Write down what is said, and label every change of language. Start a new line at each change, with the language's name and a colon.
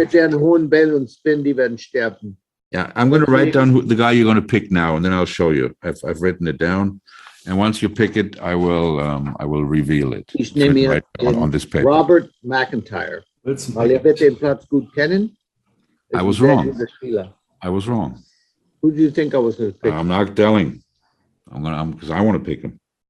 German: Mit deren hohen Bällen und Spin, die werden sterben.
English: Yeah, I'm going to write down the guy you're going to pick now, and then I'll show you. I've written it down, and once you pick it, I will reveal it.
German: Ich nehme
English: on this paper. Robert McIntyre.
German: Weil ihr wird den Platz gut kennen.
English: I was wrong. Who do you think I was going to pick? I'm not telling. Because I want to pick him.